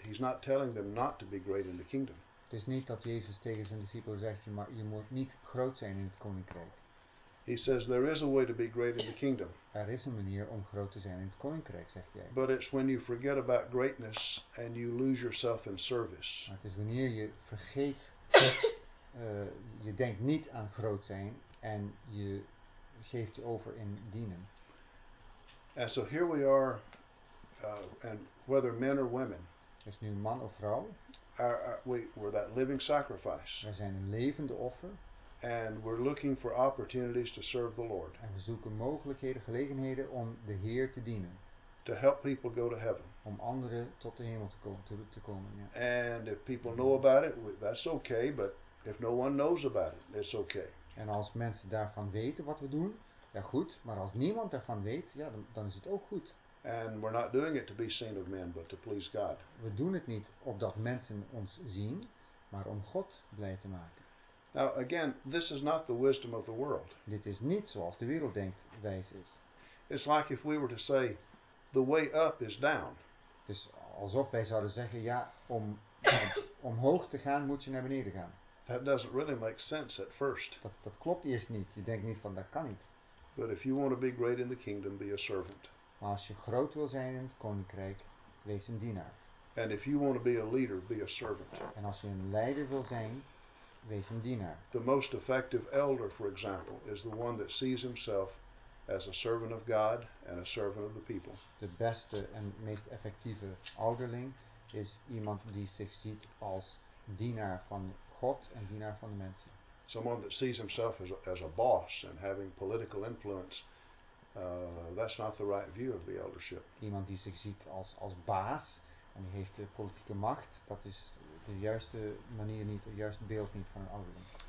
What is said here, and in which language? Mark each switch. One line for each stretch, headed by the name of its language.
English: He's not telling them not to be great in the kingdom.
Dutch: Het is niet dat Jezus tegen zijn discipelen zegt, je moet niet groot zijn in het koninkrijk.
English: He says there is a way to be great in the kingdom.
Dutch: Er is een manier om groot te zijn in het koninkrijk, zegt hij.
English: But it's when you forget about greatness and you lose yourself in service.
Dutch: Maar het is wanneer je vergeet, je denkt niet aan groot zijn en je geeft je over in dienen.
English: And so here we are, and whether men or women.
Dutch: Dus nu man of vrouw.
English: We're that living sacrifice.
Dutch: We zijn een levende offer.
English: And we're looking for opportunities to serve the Lord.
Dutch: En we zoeken mogelijkheden, gelegenheden om de Heer te dienen.
English: To help people go to heaven.
Dutch: Om anderen tot de hemel te komen. Te komen, ja.
English: And if people know about it, that's okay. But if no one knows about it, it's okay.
Dutch: En als mensen daarvan weten wat we doen, ja goed. Maar als niemand daarvan weet, ja, dan is het ook goed.
English: And we're not doing it to be seen of men, but to please God.
Dutch: We doen het niet opdat mensen ons zien, maar om God blij te maken.
English: Now again, this is not the wisdom of the world.
Dutch: Dit is niet zoals de wereld denkt wijs is.
English: It's like if we were to say, the way up is down.
Dutch: Dus alsof wij zouden zeggen, ja, om hoog te gaan moet je naar beneden gaan.
English: That doesn't really make sense at first.
Dutch: Dat klopt eerst niet. Je denkt niet van dat kan niet.
English: But if you want to be great in the kingdom, be a servant.
Dutch: Maar als je groot wil zijn in het koninkrijk, wees een dienaar.
English: And if you want to be a leader, be a servant.
Dutch: En als je een leider wil zijn, wees een dienaar.
English: The most effective elder, for example, is the one that sees himself as a servant of God and a servant of the people.
Dutch: De beste en meest effectieve ouderling is iemand die zich ziet als dienaar van God en dienaar van de mensen.
English: Someone that sees himself as a boss and having political influence, that's not the right view of the eldership.
Dutch: Iemand die zich ziet als baas en die heeft politieke macht, dat is de juiste manier niet, het juiste beeld niet van een ouderling.